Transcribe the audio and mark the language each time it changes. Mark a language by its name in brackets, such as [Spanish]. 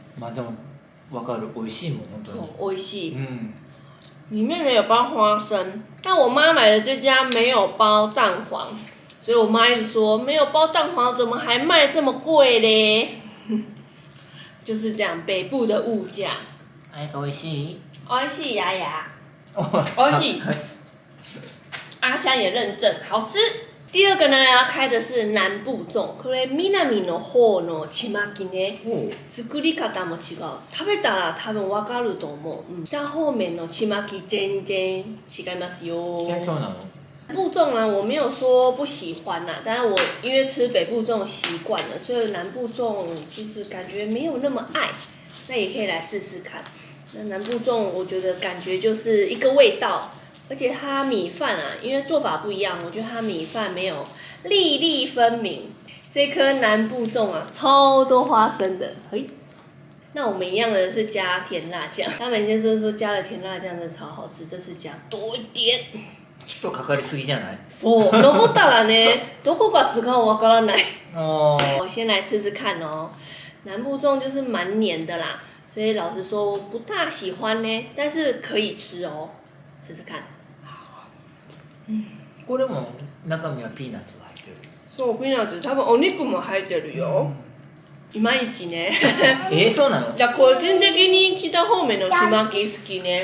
[Japanese] まあでも分かる。おいしいもん本当に。そう、おいしい。うん。 [Chinese] 里面呢有包花生，但我妈买的这家没有包蛋黄，所以我妈一直说没有包蛋黄怎么还卖这么贵咧？就是这样，北部的物价。哎，可惜。可惜呀呀。可惜。阿香也认证，好吃。第二个呢，要开的是南部粽。 [Japanese] これ南の方のちまきね。作り方も違う。食べたら多分わかると思う。嗯。北方面のちまき全然違いますよ。そうなの？ [Chinese] 南部粽呢，我没有说不喜欢呐，但是我因为吃北部粽习惯了，所以南部粽就是感觉没有那么爱。那也可以来试试看。那南部粽我觉得感觉就是一个味道。而且它米饭啊，因为做法不一样，我觉得它米饭没有粒粒分明。这颗南部粽啊，超多花生的。嘿，那我们一样的是加甜辣酱。他们先生说加了甜辣酱真的超好吃，这次加多一点。 [Japanese] ちょっとかかりすぎじゃない？そう。残ったらね、どこか使うかわからない。哦。 [Chinese] 我先来试试看哦。南部粽就是蛮黏的啦，所以老实说我不大喜欢呢，但是可以吃哦。试试看。嗯。 [Japanese] これも中身はピーナッツが入ってる。そう、ピーナッツ。多分お肉も入ってるよ。いまいちね。え、そうなの？じゃあ個人的に北方面のちまき好きね。